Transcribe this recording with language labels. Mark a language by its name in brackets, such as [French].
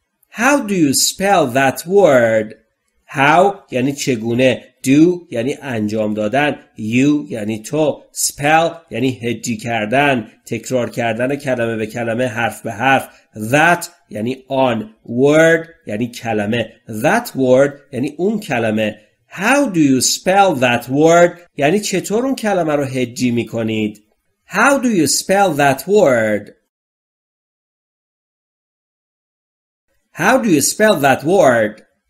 [English] How do you spell that word؟ [Persian] How یعنی چگونه، do یعنی انجام دادن، you یعنی تو، spell یعنی هجی کردن، تکرار کردن کلمه به کلمه، حرف به حرف، that یعنی آن، word یعنی کلمه، that word یعنی اون کلمه. [English] How do you spell that word [Persian] یعنی چطور اون کلمه رو هجی می کنید؟ [English] How do you spell that word? How do you spell that word?